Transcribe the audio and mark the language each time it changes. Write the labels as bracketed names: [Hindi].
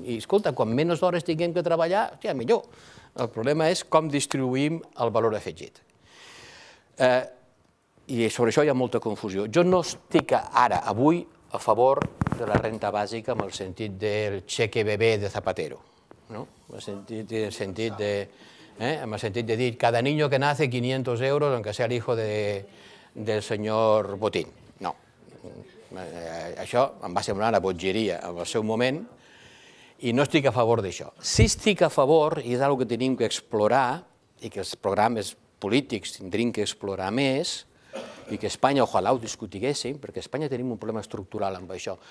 [Catalan] I, escolta, com menys hores tinguem que treballar, hòstia, millor. El problema és com distribuïm el valor afegit. I sobre això hi ha molta confusió. Jo no estic ara, avui, a favor de la renta bàsica amb el sentit del cheque bebé de Zapatero. No? [Spanish] En el sentit de dir cada niño que nace 500 euros, aunque sea el hijo del señor Botín. No. [Catalan] Això em va semblar una botgeria en el seu moment i no estic a favor d'això. Sí estic a favor, i és una cosa que tenim que explorar i que els programes polítics tindrem que explorar més i que Espanya, ojalà, ho discutiguéssim, perquè a Espanya tenim un problema estructural amb això.